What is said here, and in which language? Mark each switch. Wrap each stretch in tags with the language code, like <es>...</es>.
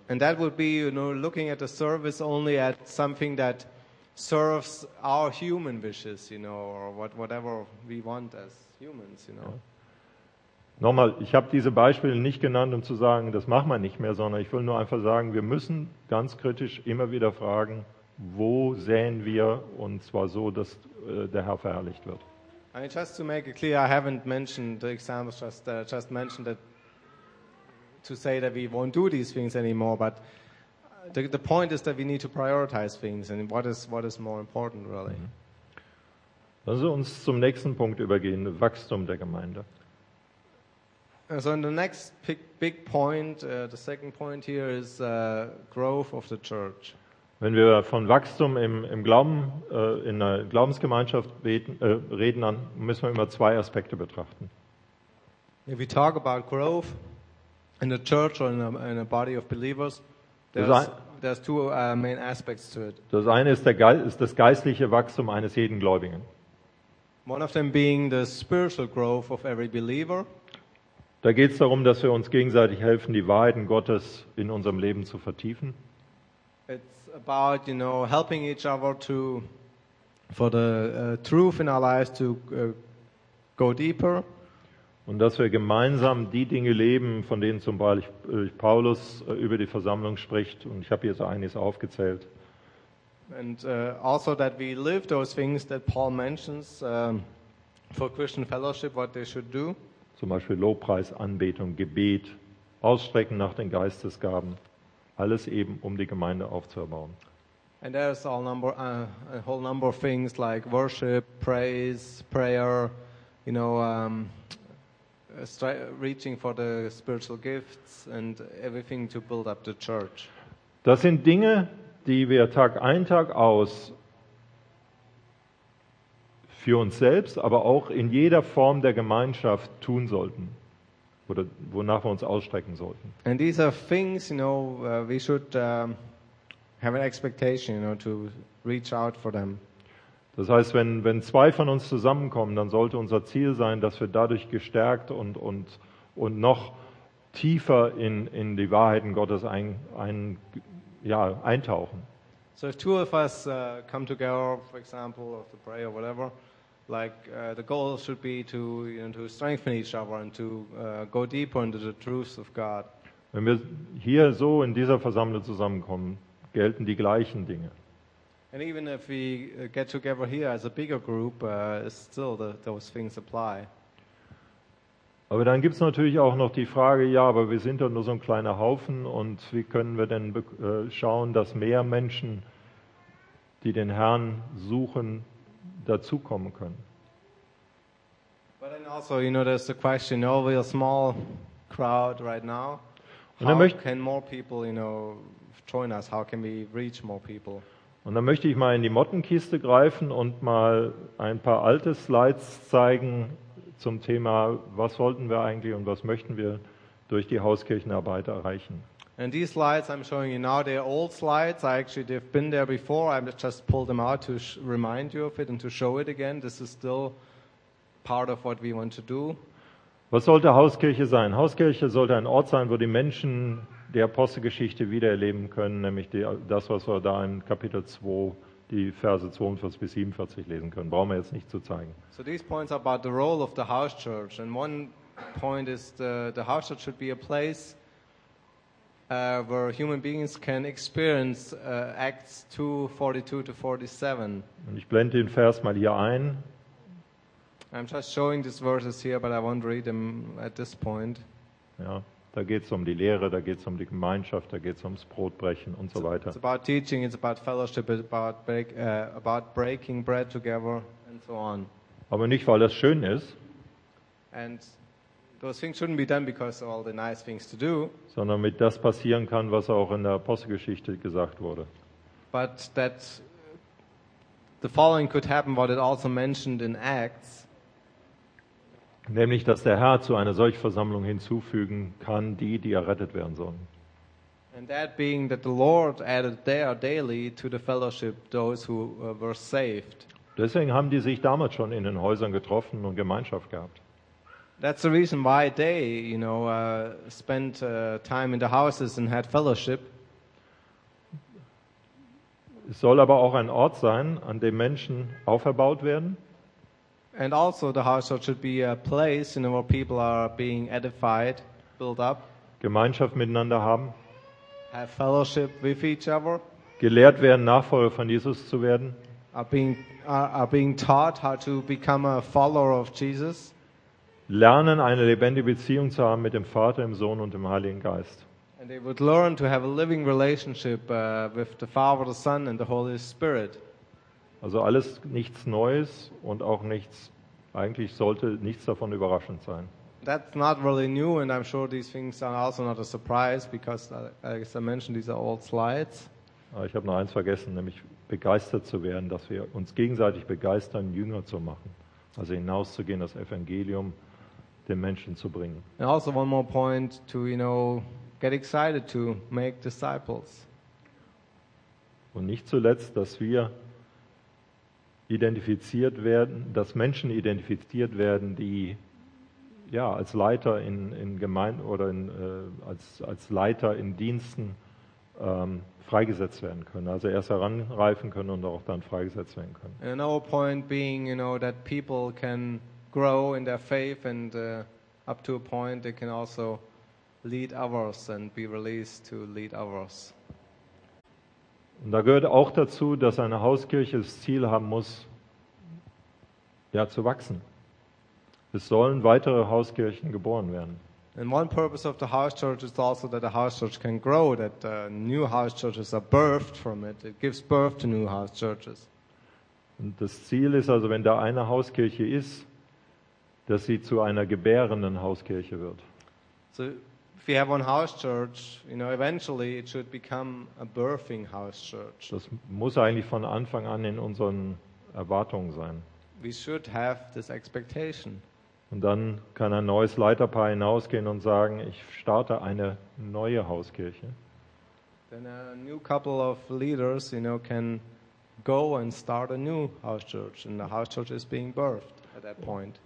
<en>And that would be, you know, looking at the service only at something that serves our human wishes, you know, or whatever we want as humans, you know.</en> <de>Ja. Nochmal, ich habe diese Beispiele nicht genannt, um zu sagen, das machen wir nicht mehr, sondern ich will nur einfach sagen, wir müssen ganz kritisch immer wieder fragen, wo säen wir, und zwar so, dass der Herr verherrlicht wird.</de> <en>I mean, just to make it clear, I haven't mentioned the examples, just mentioned that to say that we won't do these things anymore, but the point is that we need to prioritize things and what is more important really.</en> <de>Lassen Sie uns zum nächsten Punkt übergehen, Wachstum der Gemeinde.</de> <en>So in the next big point, the second point here is growth of the church.</en> <de>Wenn wir von Wachstum im Glauben, in der Glaubensgemeinschaft reden, dann müssen wir immer zwei Aspekte betrachten.</de> <en>If we talk about growth in the church or in a body of believers, there's two main aspects to it.</en> <de>Das eine ist das geistliche Wachstum eines jeden Gläubigen.</de> <en>One of them being the spiritual growth of every believer.</en> <de>Da geht es darum, dass wir uns gegenseitig helfen, die Wahrheiten Gottes in unserem Leben zu vertiefen.</de> <en>It's about, you know, helping each other to for the truth in our lives to go deeper.</en> <de>Und dass wir gemeinsam die Dinge leben, von denen zum Beispiel Paulus über die Versammlung spricht. Und ich habe hier so einiges aufgezählt.</de> <en>And also that we live those things that Paul mentions for Christian fellowship, what they should do.</en> <de>Zum Beispiel Lobpreis, Anbetung, Gebet, Ausstrecken nach den Geistesgaben. Alles eben, um die Gemeinde aufzubauen.</de> <en>And there's all number, a whole number of things like worship, praise, prayer, you know, reaching for the spiritual gifts and everything to build up the church.</en> <de>Das sind Dinge, die wir Tag ein, Tag aus für uns selbst, aber auch in jeder Form der Gemeinschaft tun sollten oder wonach wir uns ausstrecken sollten.</de> <en>And these are things, you know, we should have an expectation, you know, to reach out for them.</en> <de>Das heißt, wenn zwei von uns zusammenkommen, dann sollte unser Ziel sein, dass wir dadurch gestärkt und noch tiefer in die Wahrheiten Gottes eintauchen.</de> <en>So if two of us come together, for example, of the prayer or whatever, like the goal should be to, you know, to strengthen each other and to go deeper into the truths of God.</en> <de>Wenn wir hier so in dieser Versammlung zusammenkommen, gelten die gleichen Dinge.</de> <en>And even if we get together here as a bigger group, still those things apply.</en> <de>Aber dann gibt's natürlich auch noch die Frage, ja, aber wir sind doch nur so ein kleiner Haufen und wie können wir denn schauen, dass mehr Menschen, die den Herrn suchen, dazukommen können?</de> <en>But then also, you know, there's the question, you know, we're a small crowd right now. Can more people, you know, join us? How can we reach more people?</en> <de>Und dann möchte ich mal in die Mottenkiste greifen und mal ein paar alte Slides zeigen zum Thema, was wollten wir eigentlich und was möchten wir durch die Hauskirchenarbeit erreichen.</de> <en>And these slides I'm showing you now, they're old slides. I actually, they've been there before. I just pulled them out to remind you of it and to show it again. This is still part of what we want to do.</en> <de>Was sollte Hauskirche sein? Hauskirche sollte ein Ort sein, wo die Menschen die Apostelgeschichte wiedererleben können, nämlich das, was wir da in Kapitel 2, die Verse 42 bis 47 lesen können. Brauchen wir jetzt nicht zu zeigen.</de> <en>So these points are about the role of the house church. And one point is the house church should be a place where human beings can experience Acts 2:42-47.</en> <de>Und ich blende den Vers mal hier ein.</de> <en>I'm just showing these verses here, but I won't read them at this point.</en> <de>Ja. Da geht es um die Lehre, da geht es um die Gemeinschaft, da geht es ums Brotbrechen und so weiter.</de> <en>It's about teaching, it's about fellowship, it's about about breaking bread together and so on.</en> <de>Aber nicht, weil das schön ist.</de> <en>And those things shouldn't be done because of all the nice things to do.</en> <de>Sondern damit das passieren kann, was auch in der Apostelgeschichte gesagt wurde.</de> <en>But that the following could happen, what it also mentioned in Acts.</en> <de>Nämlich, dass der Herr zu einer solchen Versammlung hinzufügen kann, die errettet werden sollen.</de> <en>And that being that the Lord added there daily to the fellowship those who were saved.</en> <de>Deswegen haben die sich damals schon in den Häusern getroffen und Gemeinschaft gehabt.</de> <en>That's the reason why they, you know, spent time in the houses and had fellowship.</en> <de>Es soll aber auch ein Ort sein, an dem Menschen auferbaut werden.</de> <en>And also the house church should be a place, you know, where people are being edified, built up.</en> <de>Gemeinschaft miteinander haben.</de> <en>Have fellowship with each other.</en> <de>Gelehrt werden, Nachfolger von Jesus zu werden.</de> <en>Are being taught how to become a follower of Jesus.</en> <de>Lernen, eine lebendige Beziehung zu haben mit dem Vater, dem Sohn und dem Heiligen Geist.</de> <en>And they would learn to have a living relationship with the Father, the Son and the Holy Spirit.</en> <de>Also alles nichts Neues und auch nichts, eigentlich sollte nichts davon überraschend sein.</de> <en>That's not really new and I'm sure these things are also not a surprise because, as I mentioned, these are old slides.</en> <de>Ich habe noch eins vergessen, nämlich begeistert zu werden, dass wir uns gegenseitig begeistern, Jünger zu machen. Also hinauszugehen, das Evangelium den Menschen zu bringen.</de> <en>And also one more point to, you know, get excited to make disciples.</en> <de>Und nicht zuletzt, dass wir identifiziert werden, dass Menschen identifiziert werden, die ja, als Leiter in Gemeinden oder in, als Leiter in Diensten freigesetzt werden können. Also erst heranreifen können und auch dann freigesetzt werden können.</de> <en>And another point being, you know, that people can grow in their faith and up to a point they can also lead others and be released to lead others.</en> <de>Und da gehört auch dazu, dass eine Hauskirche das Ziel haben muss, ja, zu wachsen. Es sollen weitere Hauskirchen geboren werden.</de> <en>And one purpose of the house church is also that the house church can grow, that new house churches are birthed from it. It gives birth to new house churches.</en> <de>Und das Ziel ist also, wenn da eine Hauskirche ist, dass sie zu einer gebärenden Hauskirche wird.</de> <en>So if you have one house church, you know, eventually it should become a birthing house church.</en> <de>Das muss eigentlich von Anfang an in unseren Erwartungen sein.</de> <en>We should have this expectation.</en> <de>Und dann kann ein neues Leiterpaar hinausgehen und sagen, ich starte eine neue Hauskirche.</de> <en>Then a new couple of leaders, you know, can go and start a new house church, and the house church is being birthed at that point.</en>